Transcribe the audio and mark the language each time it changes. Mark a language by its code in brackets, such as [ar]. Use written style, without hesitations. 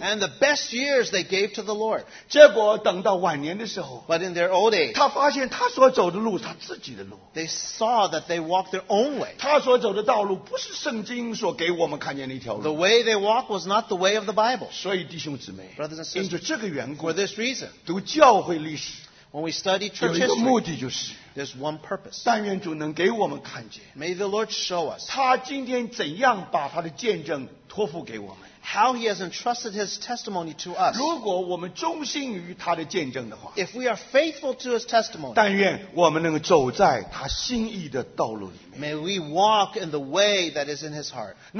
[en] And the best years they gave to the Lord. [zh] 结果等到晚年的时候, [en] But in their old age, [zh] 他发现他所走的路是他自己的路。 [en] They saw that they walked their own way. [zh] 他所走的道路不是圣经所给我们看见的一条路。 [en] The way they walked was not the way of the Bible. [zh] 所以弟兄姊妹, [en] Brothers and sisters, [zh] 因着这个缘故, [en] For this reason, [zh] 读教会历史, [en] When we study church history, there's one purpose. [zh] 但愿主能给我们看见, [en] May the Lord show us [zh] 他今天怎样把他的见证托付给我们。 [en] How he has entrusted his testimony to us. [zh] 如果我们忠心于他的见证的话, [en] If we are faithful to his testimony, [zh] 但愿我们能够走在他心意的道路里面。 [en] May we walk in the way that is in his heart.